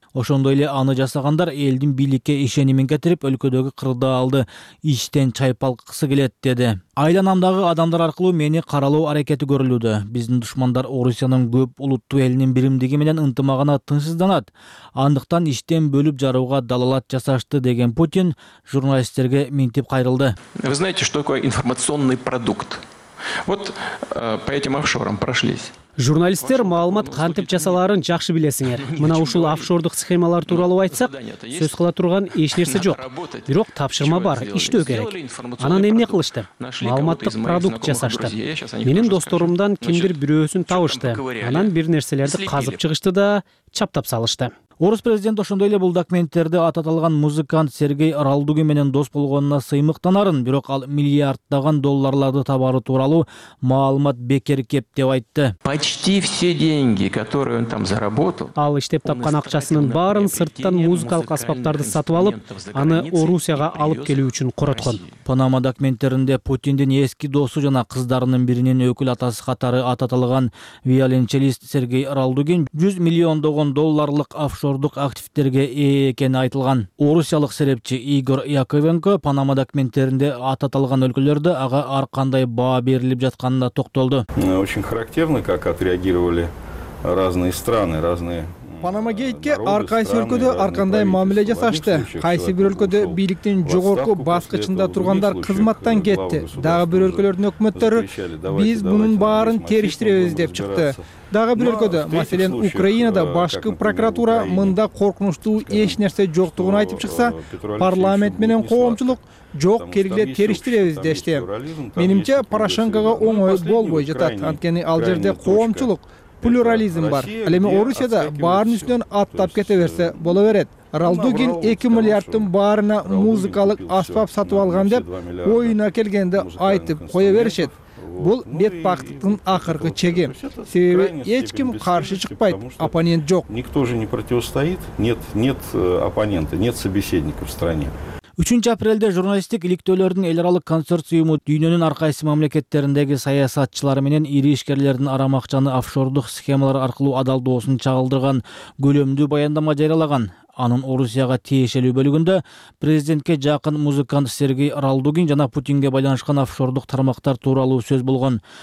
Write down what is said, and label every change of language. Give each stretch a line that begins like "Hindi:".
Kyrgyz: Ошондой эле аны жасагандар элдин бийликке ишенимин кетирип, өлкөдөгү кырдаалды иштен чайпалткысы келет деди. Айланамдагы адамдар аркылуу мени каралоо аракети көрүлүүдө. Биздин душмандар Орусиянын көп улуттуу элинин биримдиги менен ынтымагына тынчсызданат. Андыктан иштен бөлүп жарууга далалат жасашты деген Путин журналисттерге минтип кайрылды.
Russian: Вы знаете, что такое информационный продукт? Вот по этим офшорам прошлись.
Kyrgyz: Журналисттер маалымат кантип жасаларын жакшы билесиңер. Мына ушул офшордук схемалар тууралуу айтсак, сөз кыла турган эч нерсе жок. Бирок тапшырма бар, иштөө керек. Анан эмне кылышты? Маалыматтык продукт жасашты. Менин досторумдан кимдир бирөөсүн табышты. Анан бир нерселерди казып чыгышты да чаптап салышты. Орус президент ошондой эле бул документтерди ат аталган музыкант Сергей Ралдугин менен дос болгонуна сыймыктанарын, бирок ал миллиарддаган долларларды табары тууралуу маалымат бекер кеп деп айтты.
Russian: Почти все деньги, которые он там заработал.
Kyrgyz: Ал иштеп тапкан акчасынын баарын сырттан музыкалык аспаптарды сатып алып, аны Орусияга алып келүү үчүн короткон. Панама документтеринде Путиндин эски досу жана кыздарынын биринин өкүл атасы катары ат аталган виолончелист Сергей Ралдугин 100 миллиондогон долларлык офшор офшордук активдерге ээ экени айтылган. Орусиялык серепчи Игорь Яковенко Панама документтеринде аталган өлкөлөрдө ага ар кандай баа берилип жатканына токтолду.
Russian: Очень характерно, как отреагировали разные страны, разные
Kyrgyz: Панама гейтке ар кайсы өлкөдө ар кандай мамиле жасашты. Кайсы бир өлкөдө бийликтин жогорку баскычында тургандар кызматтан кетти. Дагы бир өлкөлөрдүн өкмөттөрү биз мунун баарын териштиребиз деп чыкты. Дагы бир өлкөдө, маселен, Украинада башкы прокуратура мында коркунучтуу эч нерсе жоктугун айтып чыкса, парламент менен коомчулук жок кергиле териштиребиз дешти. Менимче Порошенкого оңой болбой жатат, анткени ал жерде коомчулук плюрализм бар. Ал эми Орусияда баарын үстүнөн аттап кете берсе боло берет. Ралдугин 2 миллиарддын баарына музыкалык аспап сатып алган деп оюна келгенде айтып кое беришет. Бул бетбактыктын акыркы чеги. Себеби эч ким каршы чыкпайт, оппонент жок.
Russian: Никто же не противостоит. Нет оппонента, нет собеседника в стране.
Kyrgyz: 3 апрелде журналисттик иликтөөлөрдүн эл аралык консорциуму дүйнөнүн ар кайсы мамлекеттериндеги саясатчылары менен ири ишкерлердин арамакчаны офшордук схемалар аркылуу адалдоосун чагылдырган көлөмдүү баяндама жарыялаган. Анын Орусияга тиешелүү бөлүгүндө президентке жакын музыкант Сергей Ралдугин жана Путинге байланышкан офшордук тармактар тууралуу сөз болгон.